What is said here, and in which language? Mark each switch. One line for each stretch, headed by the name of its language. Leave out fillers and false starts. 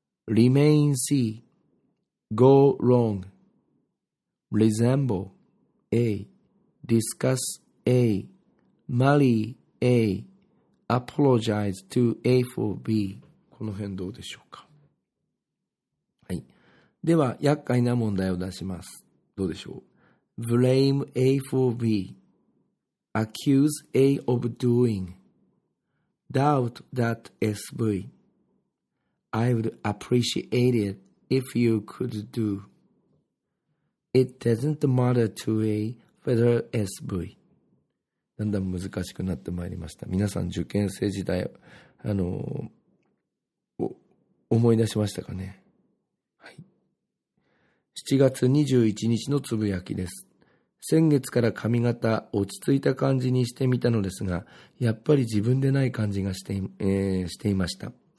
English: Remain see、 Go wrong、 Resemble A、 Discuss A、 Marry A、 Apologize to A for B。
Japanese: この辺どうでしょうか。はい、では厄介な問題を出します。どうでしょう。
English: Blame A for B、 Accuse A of doing、 Doubt that SV、 I would appreciate it if you could do、 It doesn't matter to A whether SV。
Japanese: だんだん難しくなってまいりました。皆さん受験生時代思い出しましたかね。 7月21日のつぶやきです。先月から髪型落ち着いた感じにしてみたのですが、やっぱり自分でない感じがしていました。